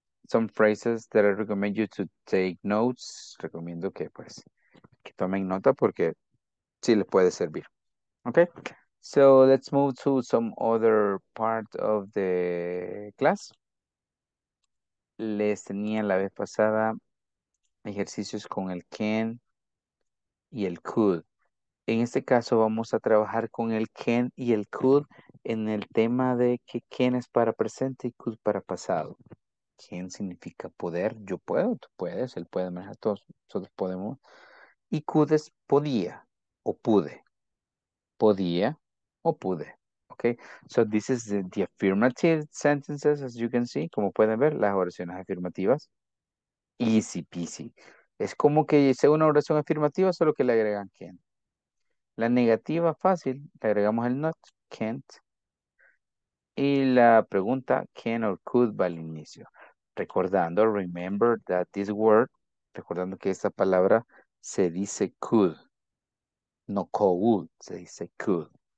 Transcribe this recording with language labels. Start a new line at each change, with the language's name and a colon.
English: Some phrases that I recommend you to take notes.
Spanish: Recomiendo que pues que tomen nota porque sí les puede servir.
English: Okay. So let's move to some other part of the class.
Spanish: Les tenía la vez pasada ejercicios con el can y el could. En este caso vamos a trabajar con el can y el could en el tema de que can es para presente y could para pasado. ¿Quién significa poder? Yo puedo, tú puedes, él puede manejar, todos nosotros podemos. Y could es podía o pude. Podía o pude.
English: Okay, so this is the affirmative sentences, as you can see.
Spanish: Como pueden ver, las oraciones afirmativas.
English: Easy peasy.
Spanish: Es como que sea una oración afirmativa, solo que le agregan can. La negativa, fácil, le agregamos el not, can't. Y la pregunta, can or could, va al inicio. Recordando,
English: remember that this word,
Spanish: recordando que esta palabra se dice could, no could, se dice could.